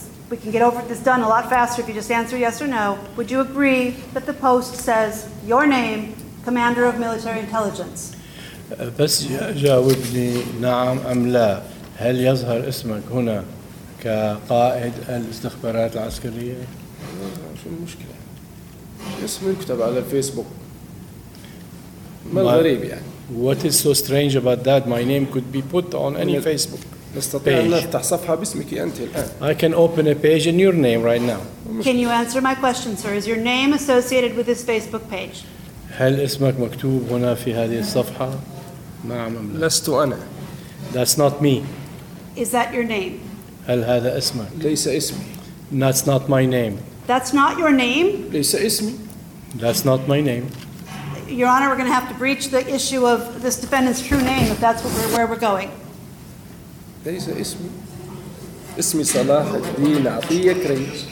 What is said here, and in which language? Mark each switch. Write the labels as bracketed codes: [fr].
[en] We can get over this done a lot faster if you just answer yes or no. Would you agree that the post says your name, Commander of Military Intelligence? [ar] بس جاوبني نعم أم لا. هل يظهر اسمك هنا كقائد الاستخبارات العسكرية؟ شو المشكلة؟ اسم يكتب على الفيسبوك. ما الغريب يعني؟ [en] What is so strange about that? My name could be put on any Facebook. [ar] نستطيع أن نفتح صفحة باسمك أنت الآن. [en] I can open a page in your name right now. Can you answer my question, sir? Is your name associated with this Facebook page? [ar] هل اسمك مكتوب هنا في هذه الصفحة؟ نعم أم لا؟ لست أنا. [en] That's not me. Is that your name? [ar] هل هذا اسمك؟ ليس اسمي. [en] That's not my name. That's not your name? [ar] ليس اسمي. [en] That's not my name. Your Honor, we're going to have to breach the issue of this defendant's true name if that's what where we're going. [ar] ليس اسمي. اسمي صلاح الدين عطية كريم.